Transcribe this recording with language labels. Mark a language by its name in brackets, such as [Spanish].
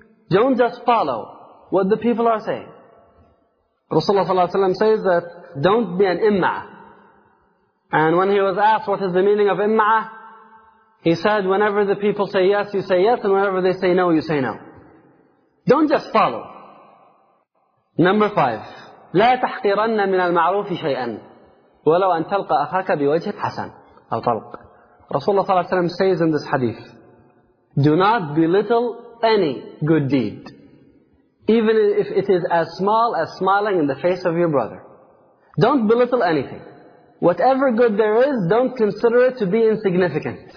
[English] Don't just follow what the people are saying. Rasulullah ﷺ says that, don't be an imma'ah. And when he was asked what is the meaning of imma'ah, he said, whenever the people say yes, you say yes, and whenever they say no, you say no. Don't just follow. Number five, [Arabic] لَا تَحْقِرَنَّ مِنَ الْمَعْرُوفِ شَيْئًا وَلَوْ أَن تَلْقَ أَخَاكَ بِوَجْهِ حَسَنٍ. [English] Rasulullah ﷺ says in this hadith, do not belittle any good deed, even if it is as small as smiling in the face of your brother. Don't belittle anything. Whatever good there is, don't consider it to be insignificant.